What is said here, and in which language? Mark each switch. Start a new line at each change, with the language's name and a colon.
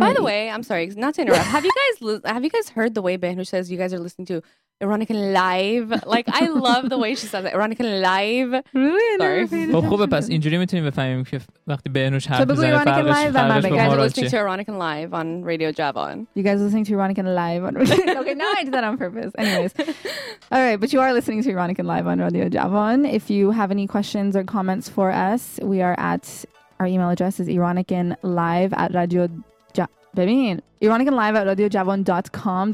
English: By the way, I'm sorry, not to interrupt. Have you guys heard the way Behnush says you guys are listening to Ironic and Live? Like, I love the way she says it. Ironic and Live. Really? Sorry.
Persian: خوبه پس اینجوری میتونیم بفهمیم که وقتی بهنوش حرف میزنه فرقش فرقش با ما
English: راچه. You guys are listening to Ironic and Live on Radio Javan. You guys are listening to Ironic and Live on Radio Javan. Okay, now I did that on purpose. Anyways. All right, but you are listening to Ironic and Live on Radio Javan. If you have any questions or comments for us, we are at... Our email address is ironicandlive@radiojavon.com.